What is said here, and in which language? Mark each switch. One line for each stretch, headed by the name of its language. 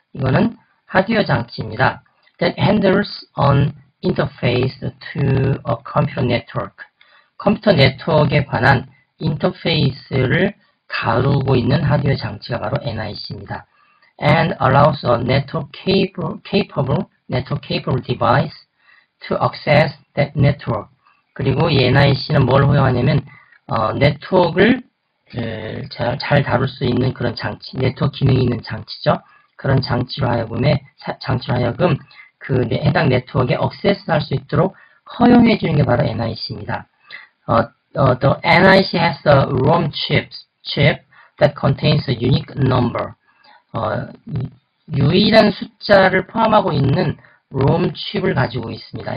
Korean: 이거는 하드웨어 장치입니다.
English: That handles an interface to a computer network.
Korean: 컴퓨터 네트워크에 관한 인터페이스를 다루고 있는 하드웨어 장치가 바로 NIC입니다.
English: And allows a network capable device to access that network.
Korean: 그리고 이 NIC는 뭘 허용하냐면 네트워크를 잘 다룰 수 있는 그런 장치, 네트워크 기능이 있는 장치죠. 그런 장치로 하여금 그 해당 네트워크에 액세스할 수 있도록 허용해 주는 게 바로 NIC입니다.
English: The NIC has a ROM chip that contains a unique number.
Korean: 유일한 숫자를 포함하고 있는 ROM 칩을 가지고 있습니다.